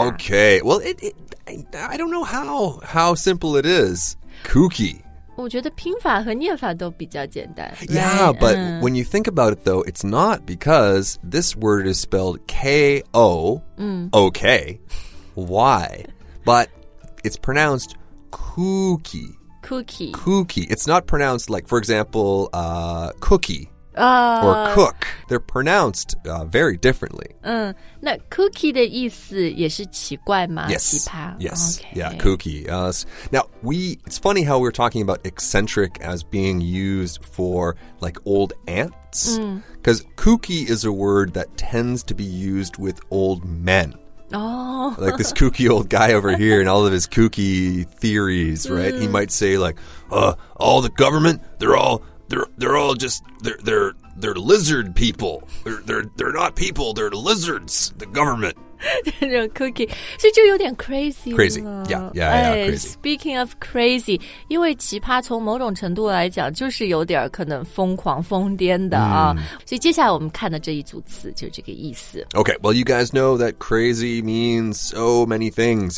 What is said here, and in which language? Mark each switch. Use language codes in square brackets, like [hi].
[en] Okay, well, I don't know how simple it is. Kooky. [zh] 我觉得拼法和念法都比较简单。 [en] Right? Yeah, but when you think about it, though, it's not because this word is spelled K-O-O-K-Y, but it's pronounced kooky. Kooky. Kooky. It's not pronounced like, for example, cookie. Or cook. They're pronounced very differently. [zh] 那 cookie 的意思也是奇怪吗？ [en] Yes. [zh] 奇葩。 [en] Yes. Okay. Yeah, kooky. It's funny how we're talking about eccentric as being used for like old aunts. Because kooky is a word that tends to be used with old men. Oh. Like this kooky old guy over here and all of his kooky theories, right? He might say like, all the government, they're lizard people. They're not people. They're lizards. The government. Kooky. [zh] So 就有点 crazy. [en] Crazy. Yeah, crazy. Speaking of crazy, [zh] 因为奇葩从某种程度来讲就是有点可能疯狂疯癫的啊。所以接下来我们看的这一组词就是这个意思。 [en] Okay, well, you guys know that crazy means so many things.